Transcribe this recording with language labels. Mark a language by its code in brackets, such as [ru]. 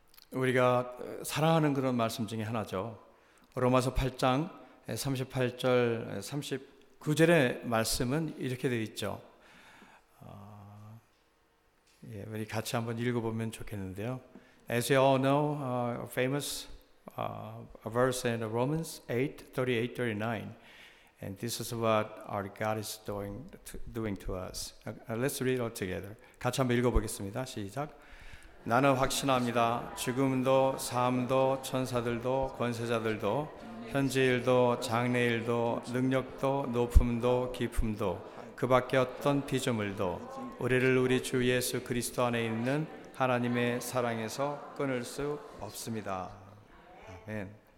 [ko] 우리가 사랑하는 그런 말씀 중에 하나죠. 로마서 8장 38절 39절의 말씀은 이렇게 되어 있죠. 우리 같이 한번 읽어보면 좋겠는데요. [en] As you all know, a famous verse in Romans 8:38-39. And this is what our God is doing to us. Let's read all together. [ko] 같이 한번 읽어보겠습니다. 시작. 나는 확신합니다. 죽음도 삶도 천사들도 권세자들도 현재일도 장래일도 능력도 높음도 깊음도 그밖에 어떤 피조물도 우리를 우리 주 예수 그리스도 안에 있는 하나님의 사랑에서 끊을 수 없습니다. 아멘.